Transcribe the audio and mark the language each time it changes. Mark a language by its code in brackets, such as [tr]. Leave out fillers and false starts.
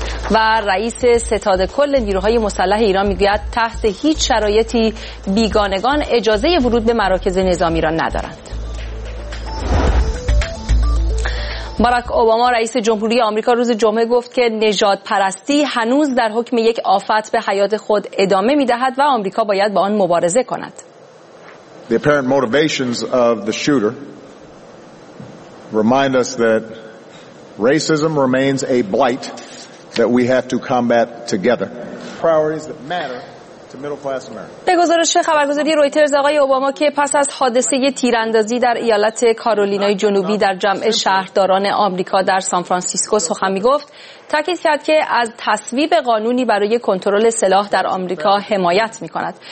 [fa] و رئیس ستاد کل نیروهای مسلح ایران میگوید تحت هیچ شرایطی بیگانگان اجازه ورود به مراکز نظامی را ندارند. باراک اوباما رئیس جمهوری آمریکا روز جمعه گفت که نژادپرستی هنوز در حکم یک آفت به حیات خود ادامه می‌دهد و آمریکا باید با آن مبارزه کند. [en] The apparent motivations of the shooter remind us that racism remains a blight that we have to combat together. Priorities that matter. [fa] به گزارش خبرگزاری رویترز، آقای اوباما که پس از حادثه تیراندازی در ایالت کارولینای جنوبی در جمع شهرداران آمریکا در سانفرانسیسکو سخن میگفت، تاکید کرد که از تصویب قانونی برای کنترل سلاح در آمریکا حمایت میکند.